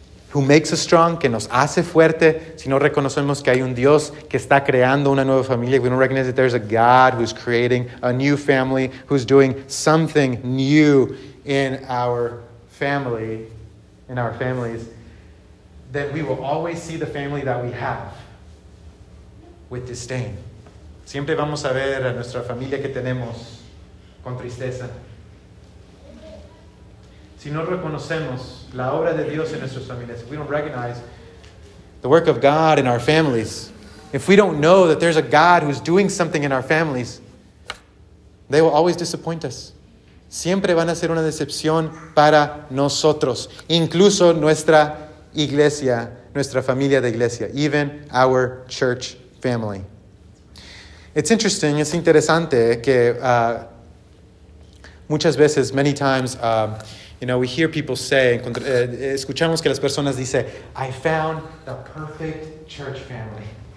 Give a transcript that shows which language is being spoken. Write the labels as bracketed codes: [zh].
[en] who makes us strong, [es] que nos hace fuerte, si no reconocemos que hay un Dios que está creando una nueva familia, [en] we don't recognize that there's a God who's creating a new family, who's doing something new in our family, in our families, that we will always see the family that we have with disdain. [es] Siempre vamos a ver a nuestra familia que tenemos con tristeza. Si no reconocemos la obra de Dios en nuestras familias, [en] if we don't recognize the work of God in our families, if we don't know that there's a God who's doing something in our families, they will always disappoint us. [es] Siempre van a ser una decepción para nosotros. Incluso nuestra iglesia, nuestra familia de iglesia, [en] even our church family. It's interesting, [es] es interesante que muchas veces, [en] many times, you know, we hear people say, [es] escuchamos que las personas dicen, [en] I found the perfect church family.